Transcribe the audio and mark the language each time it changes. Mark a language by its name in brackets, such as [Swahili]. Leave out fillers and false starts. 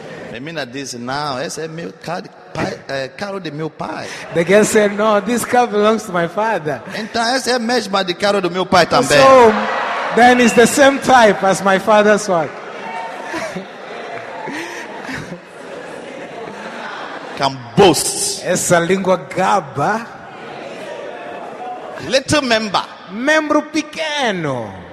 [Portuguese] Menina disse, não, esse é meu carro de meu pai. [English] The girl said, no, this car belongs to my father. [Portuguese] Então, esse é mesmo de carro do meu pai também. [English] So, then it's the same type as my father's one. can boast. [Portuguese] Essa língua gaba. [English] Little member. [Portuguese] Membro pequeno.